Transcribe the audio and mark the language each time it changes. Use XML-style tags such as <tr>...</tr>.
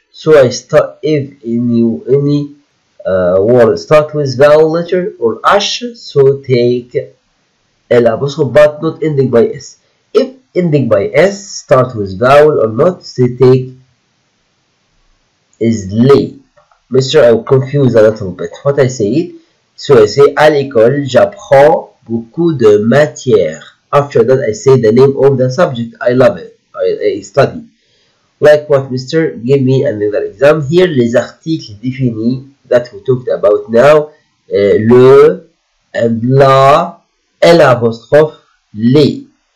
<en>So I start, if any word start with vowel letter or ash, so take el apostrophe, but not ending by s. If ending by s start with vowel or not, so take is lay. Mister, I'm confused a little bit. What I say it? So I say</en> <fr>à l'école j'apprends beaucoup de matière.</fr> <en>After that, I say the name of the subject. I love it. I study. Like what, Mister? Give me another exam here.</en> <fr>Les articles définis</fr> <en>that we talked about now.</en> <fr>Le and la. L apostrophe les.</fr>